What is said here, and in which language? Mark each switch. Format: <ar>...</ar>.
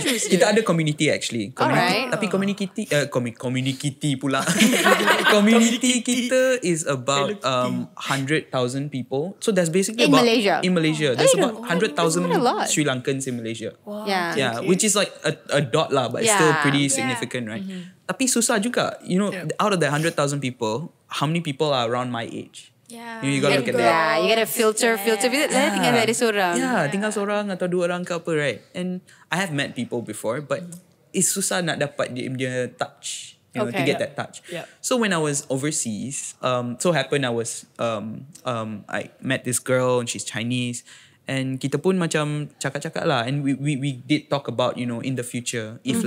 <ms>Kita ada</ms> <en>community actually. Community kita is about 100,000 people. So that's basically in about Malaysia. In Malaysia, there's about 100,000 Sri Lankans in Malaysia. Wow. Yeah, okay. Which is like a dot lah, but still pretty significant, right? Mm-hmm.</en> <ms>Tapi susah juga.</ms> <en>You know, out of the 100,000 people, how many people are around my age? Yeah. You know, you gotta look at that. Yeah, you gotta filter.</en> <ms>Tinggal ada seorang. Yeah, tinggal seorang atau dua orang ke apa, right?</ms> <en>And I have met people before, but it's</en> <ms>susah nak dapat dia</ms> <en>touch. You know, okay. To get that touch. Yeah. So when I was overseas, so happened I was, I met this girl and she's Chinese. And</en> <ms>kita pun macam cakap-cakap lah.</ms> <en>And we did talk about, you know, in the future, if mm-hmm.</en>